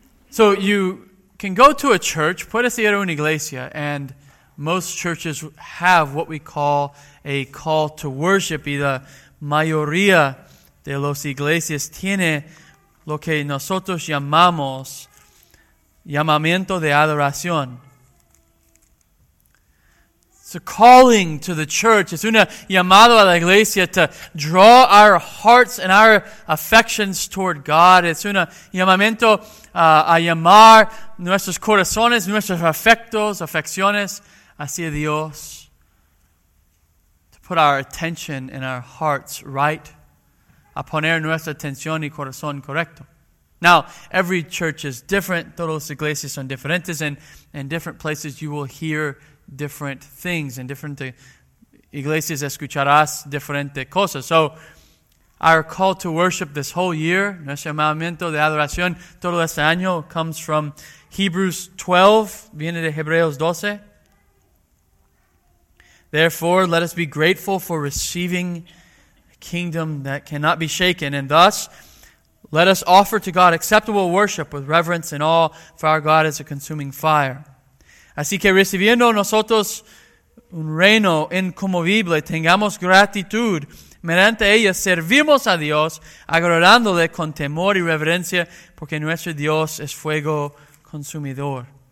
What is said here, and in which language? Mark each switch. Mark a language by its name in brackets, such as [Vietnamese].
[English] So you can go to a church, [Spanish] puedes ir a una iglesia, [English] and most churches have what we call a call to worship. [Spanish] Y la mayoría de las iglesias tiene lo que nosotros llamamos llamamiento de adoración. [English] It's a calling to the church. [Spanish] Es una llamada a la iglesia [English] to draw our hearts and our affections toward God. [Spanish] Es una llamamiento a llamar nuestros corazones, nuestros afectos, afecciones hacia Dios. [English] To put our attention and our hearts right. [Spanish] A poner nuestra atención y corazón correcto. [English] Now, every church is different. [Spanish] Todas las iglesias son diferentes. [English] And in different places you will hear different things. In different [Spanish] iglesias escucharás diferentes cosas. [English] So, our call to worship this whole year, [Spanish] nuestro llamamiento de adoración todo este año, [English] comes from Hebrews 12, [Spanish] viene de Hebreos 12. [English] Therefore, let us be grateful for receiving kingdom that cannot be shaken, and thus let us offer to God acceptable worship with reverence and awe, for our God is a consuming fire. [Spanish] Así que recibiendo nosotros un reino inconmovible, tengamos gratitud, mediante ella servimos a Dios, agradándole con temor y reverencia, porque nuestro Dios es fuego consumidor.